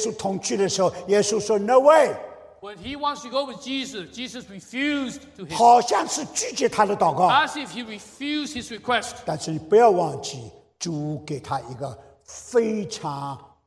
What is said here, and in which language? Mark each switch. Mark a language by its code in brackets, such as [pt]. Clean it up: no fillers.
[zh] 当他要求跟与耶稣同去的时候，耶稣说 [en] No way. When he wants to go with Jesus, Jesus refused to him. [zh] 好像是拒绝他的祷告。 [en] As if he refused his request. [zh] 但是你不要忘记，主给他一个非常